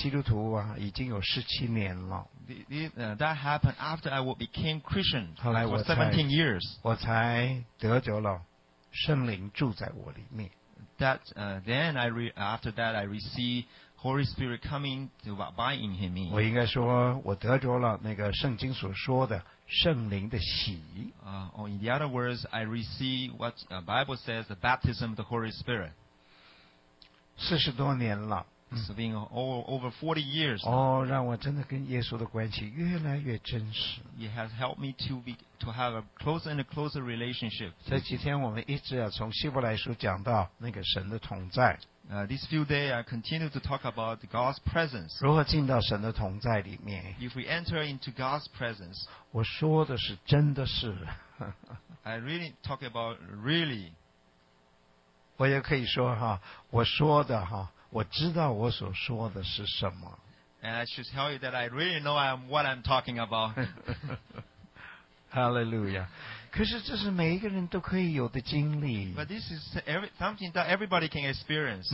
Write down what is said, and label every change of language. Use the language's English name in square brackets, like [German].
[Chinese] 那是在我做基督徒啊，已经有17年了。 [English] That happened after I became Christian for 17 years. [Chinese] 我才得着了圣灵住在我里面。 [English] That then after that I received Holy Spirit coming to abide in Him. [Chinese] 我应该说，我得着了那个圣经所说的。圣灵的洗 [English] In the other words, I receive what the Bible says, the baptism of the Holy Spirit. [Chinese] 40多年了, [English] it's been over 40 years. [Chinese] 让我真的跟耶稣的关系越来越真实。 [English] It has helped me to have a closer and closer relationship. [Chinese] 这几天我们一直要从希伯来书讲到那个神的同在。 [English] These few days, I continue to talk about God's presence. [Chinese] 如何进到神的同在里面? [English] If we enter into God's presence, [Chinese] 我说的是真的是, [English] I really talk about really. [Chinese] 我也可以说哈, 我说的哈, 我知道我所说的是什么。 [English] And I should tell you that I really know what I'm talking about. Hallelujah. [Chinese] 可是这是每一个人都可以有的经历。 [English] But this is something that everybody can experience.